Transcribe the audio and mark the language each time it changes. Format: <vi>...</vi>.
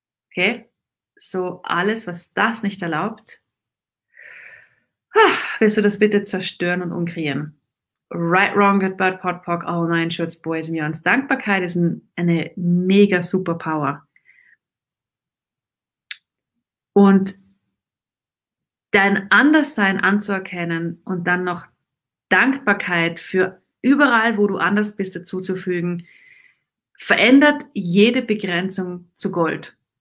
<de>Okay, so alles, was das nicht erlaubt, wirst du das bitte zerstören und umkreieren.</de> <en>Right, wrong, good, bad, pot, pock, all nine shirts, boys and yarns.</en> <de>Dankbarkeit ist eine mega Superpower. Und dein Anderssein anzuerkennen und dann noch Dankbarkeit für überall, wo du anders bist, dazuzufügen, verändert jede Begrenzung zu Gold.</de>